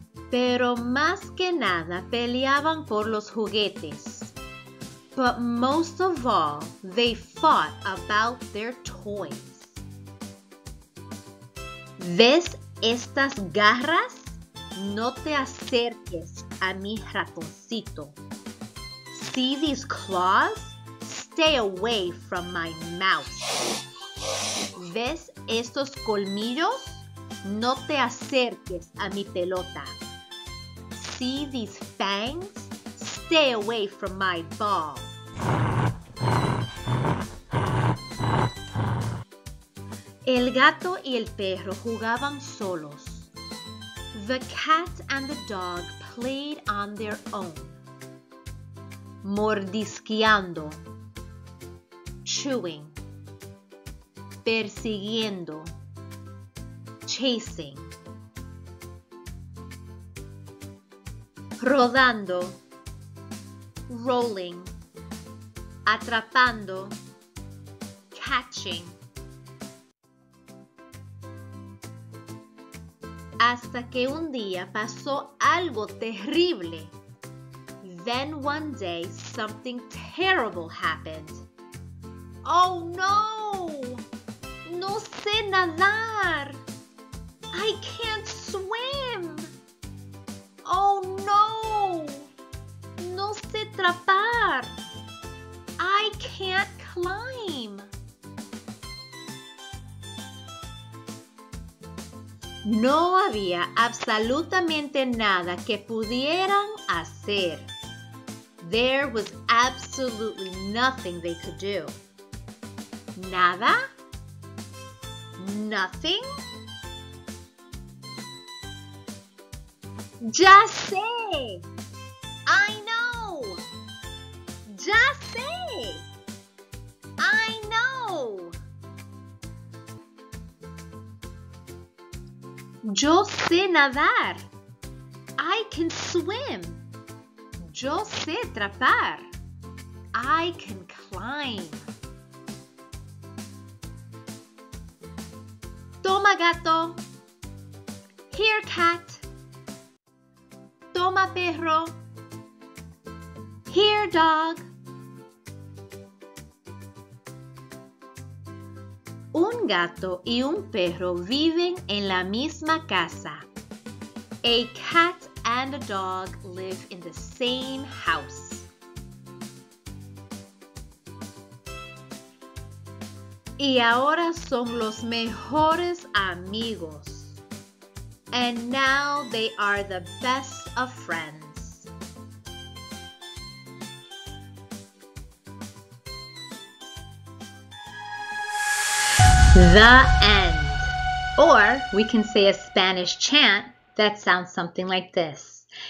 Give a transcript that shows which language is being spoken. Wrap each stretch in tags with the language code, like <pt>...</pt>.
<es>Pero más que nada peleaban por los juguetes.</es> <en>But most of all, they fought about their toys.</en> <es>¿Ves estas garras? No te acerques a mi ratoncito.</es> <en>See these claws? Stay away from my mouse.</en> <es>¿Ves estos colmillos? No te acerques a mi pelota.</es> <en>See these fangs? Stay away from my ball.</en> <es>El gato y el perro jugaban solos.</es> <en>The cat and the dog played on their own.</en> <es>Mordisqueando.</es> <en>Chewing.</en> <es>Persiguiendo.</es> <en>Chasing.</en> <es>Rodando.</es> <en>Rolling.</en> <es>Atrapando.</es> <en>Catching.</en> <es>Hasta que un día pasó algo terrible.</es> <en>Then one day something terrible happened.</en> <es>Oh no! No sé nadar!</es> <en>I can't swim! Oh no!</en> <es>No sé trepar!</es> <en>I can't climb!</en> <es>No había absolutamente nada que pudieran hacer.</es> <en>There was absolutely nothing they could do.</en> <es>¿Nada?</es> <en>¿Nothing?</en> <es>¡Ya sé!</es> <en>¡I know!</en> <es>¡Ya sé!</es> <en>¡I know!</en> <es>Yo sé nadar.</es> <en>I can swim.</en> <es>Yo sé trepar.</es> <en>I can climb.</en> <es>Toma, gato.</es> <en>Here, cat.</en> <es>Toma, perro.</es> <en>Here, dog.</en> <es>Un gato y un perro viven en la misma casa.</es> <en>A cat and a dog live in the same house.</en> <es>Y ahora son los mejores amigos.</es> <en>And now they are the best of friends. The end. Or we can say a Spanish chant that sounds something like this.</en>